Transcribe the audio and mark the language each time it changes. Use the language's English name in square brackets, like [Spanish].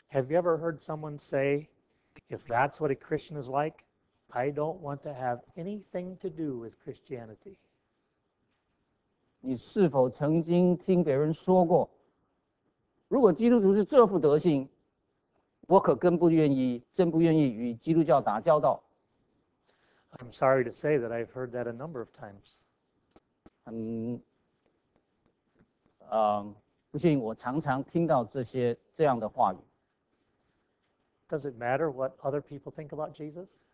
[English] you ever heard someone say, if that's what a Christian is like, I don't want to have anything to do with Christianity? [Chinese] 你是否曾经听别人说过，如果基督徒是这副德行，我可更不愿意，真不愿意与基督教打交道。 [English] I'm sorry to say that I've heard that a number of times. [Chinese] 不信我常常听到这样的话语。 [English] Does it matter what other people think about Jesus?